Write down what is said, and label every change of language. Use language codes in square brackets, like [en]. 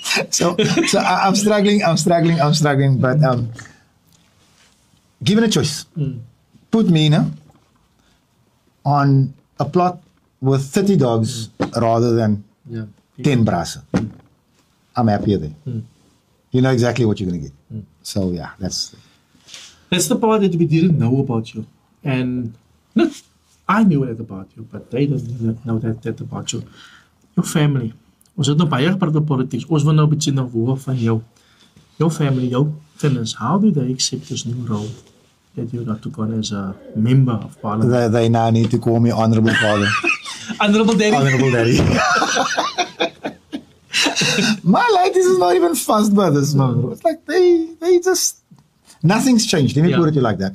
[en] So I'm struggling. But given a choice, put me on a plot with 30 dogs rather than 10 brasa. I'm happier there. You know exactly what you're going to get. So yeah, that's the part that we didn't know about you. And I knew that about you, but they didn't know that about you. Your family. [af] Ons het nou baie gepraat oor politiek. Ons wil nou 'n bietjie na hoor van jou. Jou family, jou kinders. [en] How do they accept this new role that you got to go as a member of parliament? They now need to call me Honorable Father. Honorable Daddy. Honorable Daddy. My life is not even fussed by this, man. It's like they just... Nothing's changed. Let me put it to you like that.